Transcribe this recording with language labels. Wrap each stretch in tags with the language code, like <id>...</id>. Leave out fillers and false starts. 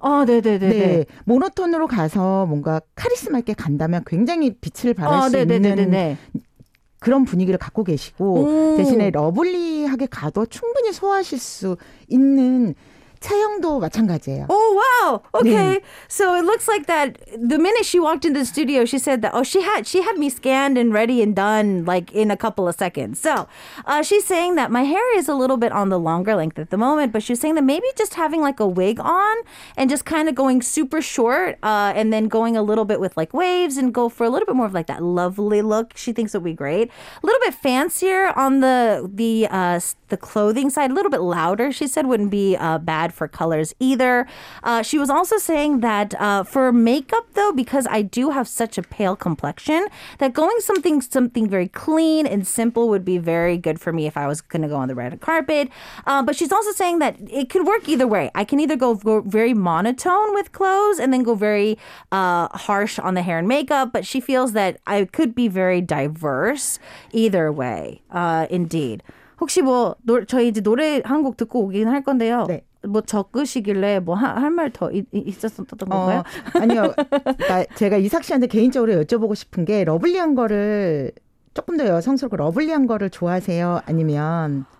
<ko>아, 네네네. 네, 모노톤으로 가서 뭔가 카리스마 있게 간다면 굉장히 빛을 발할 수 있는 그런 분위기를 갖고 계시고 대신에 러블리하게 가도 충분히 소화하실 수 있는 체형도 마찬가지예요.</ko> <en>Oh, wow. Okay. 네. So it looks like that the minute she walked into the studio, she said that, she had me scanned and ready and done like in a couple of seconds. So she's saying that my hair is a little bit on the longer length at the moment, but she was saying that maybe just having like a wig on and just kind of going super short and then going a little bit with like waves and go for a little bit more of like that lovely look. She thinks it would be great. A little bit fancier on the clothing side, a little bit louder, she said, wouldn't be bad. For colors either. She was also saying that for makeup though, because I do have such a pale complexion, that going something very clean and simple would be very good for me if I was going to go on the red carpet. But she's also saying that it could work either way. I can either go very monotone with clothes and then go very harsh on the hair and makeup, but she feels that I could be very diverse either way. Indeed.</en> <ko>혹시 뭐 저희 이제 노래 한 곡 듣고 오긴 할 건데요. 네. 뭐 적으시길래 뭐 할 말 더 있었던 건가요? 아니요. 그러니까 제가 이삭 씨한테 개인적으로 여쭤보고 싶은 게 러블리한 거를 조금 더 여성스럽고 러블리한 거를 좋아하세요? 아니면</ko>